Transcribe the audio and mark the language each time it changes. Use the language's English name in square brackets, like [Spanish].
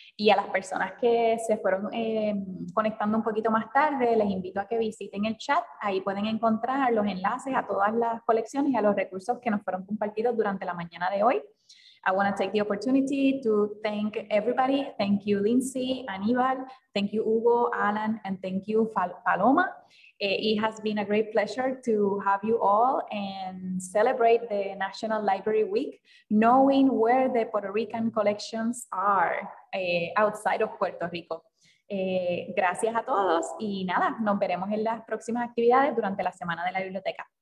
[Spanish] Y a las personas que se fueron conectando un poquito más tarde, les invito a que visiten el chat. Ahí pueden encontrar los enlaces a todas las colecciones y a los recursos que nos fueron compartidos durante la mañana de hoy. [English] I want to take the opportunity to thank everybody. Thank you, Lindsay, Aníbal. Thank you, Hugo, Alan, and thank you, Paloma. It has been a great pleasure to have you all and celebrate the National Library Week, knowing where the Puerto Rican collections are outside of Puerto Rico. [Spanish] Gracias a todos y nada, nos veremos en las próximas actividades durante la Semana de la Biblioteca.